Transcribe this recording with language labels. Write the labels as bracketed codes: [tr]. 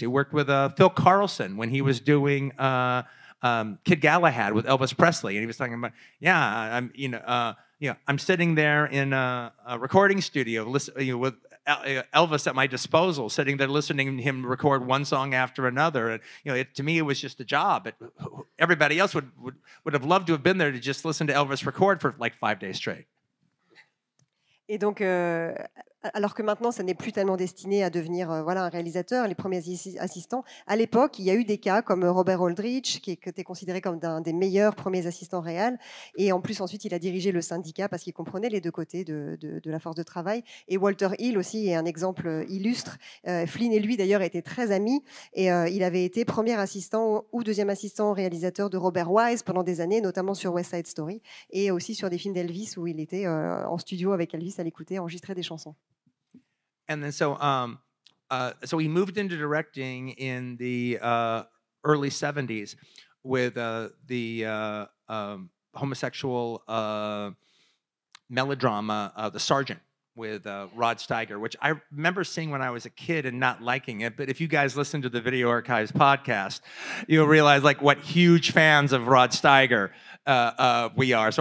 [en] He worked with Phil Carlson when he was doing Kid Galahad with Elvis Presley, and he was talking about, I'm sitting there in a recording studio, with Elvis at my disposal, sitting there listening to him record one song after another. And to me, it was just a job. But everybody else would have loved to have been there to just listen to Elvis record for like 5 days straight. [fr] Et donc, alors que maintenant, ça n'est plus tellement destiné à devenir un réalisateur, les premiers assistants. À l'époque, il y a eu des cas comme Robert Aldrich, qui était considéré comme un des meilleurs premiers assistants réels. Et en plus, ensuite, il a dirigé le syndicat parce qu'il comprenait les deux côtés de la force de travail. Et Walter Hill aussi est un exemple illustre. Flynn et lui, d'ailleurs, étaient très amis. Et il avait été premier assistant ou deuxième assistant réalisateur de Robert Wise pendant des années, notamment sur West Side Story et aussi sur des films d'Elvis où il était en studio avec Elvis à l'écouter, enregistrer des chansons. [en] And then so he moved into directing in the early 70s with homosexual melodrama, The Sergeant, with Rod Steiger, which I remember seeing when I was a kid and not liking it. But if you guys listen to the Video Archives podcast, you'll realize like what huge fans of Rod Steiger we are.